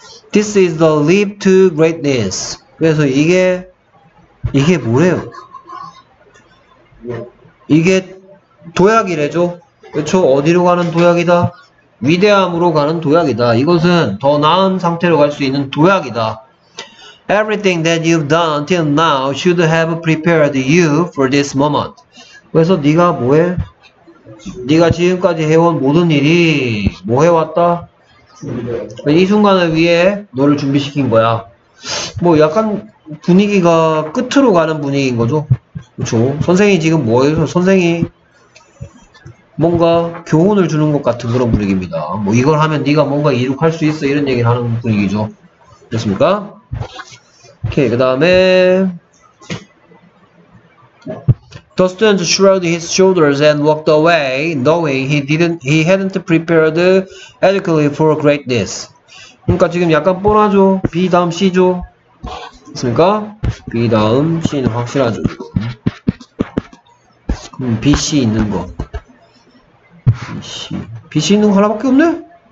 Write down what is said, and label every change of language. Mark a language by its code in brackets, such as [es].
[en] This is the leap to greatness. [ko] 그래서 이게 뭐래요? 이게 도약이래죠? 그쵸? 어디로 가는 도약이다? 위대함으로 가는 도약이다. 이것은 더 나은 상태로 갈수 있는 도약이다. [en] Everything that you've done until now should have prepared you for this moment. [ko] 그래서 네가 뭐해? 네가 지금까지 해온 모든 일이 뭐 해왔다? 이 순간을 위해 너를 준비시킨 거야. 뭐 약간 분위기가 끝으로 가는 분위기인 거죠. 그렇죠. 선생이 지금 뭐예요? 선생이 뭔가 교훈을 주는 것 같은 그런 분위기입니다. 뭐 이걸 하면 네가 뭔가 이룩할 수 있어 이런 얘기를 하는 분위기죠. 됐습니까? 오케이. 그다음에 [en] The student shrugged his shoulders and walked away, knowing he hadn't prepared adequately for greatness. [ko] 그러니까 지금 약간 뻔하죠. B 다음 C죠. 있습니까? B 다음 C는 확실하죠. 그럼 B, C 있는 거. B, C. B, C 있는 거 하나밖에 없네?